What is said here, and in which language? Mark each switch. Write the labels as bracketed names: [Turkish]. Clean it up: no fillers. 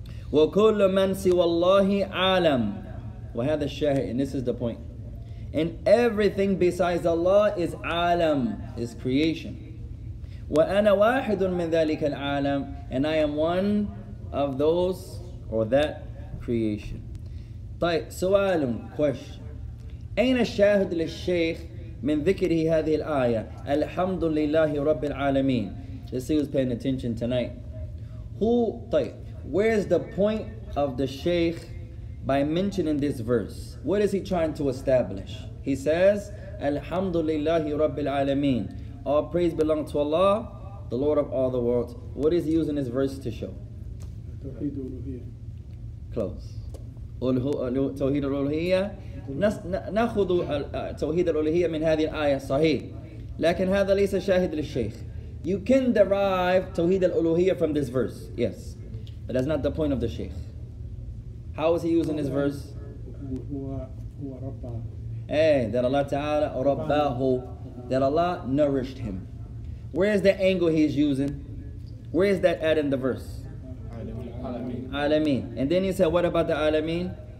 [Arabic] Wa kullu man siwallahi alam. Wa hadha shahid, [English] and this is the point. And everything besides Allah is alam, is creation. [Arabic] Wa ana wahidun min dhalika al-alam, [English] and I am one of those or that creation. [Arabic] Tayyib, su'alun, question. أين الشاهد للشيخ من ذكر هذه الآية الحمد لله رب العالمين. [English] Let's see who's paying attention tonight. Who? طيب. Where is the point of the Sheikh by mentioning this verse? What is he trying to establish? He says [Arabic] الحمد لله رب العالمين. [English] All praise belong to Allah, the Lord of all the worlds. What is he using this verse to show? [Arabic] توحيد الألوهية. Close. توحيد الألوهية. نأخذ توحيد الألوهية من هذه الآية صحيح لكن هذا ليس شاهد للشيخ [English] You can derive توحيد الألوهية from this verse Yes But that's not the point of the Sheikh How is he using this verse? [Arabic] هو رباه [English] Hey, that Allah تعالى رباه That Allah nourished him Where is the angle he is using? Where is that at in the verse? [Arabic] عالمين [English] And then he said what about the عالمين?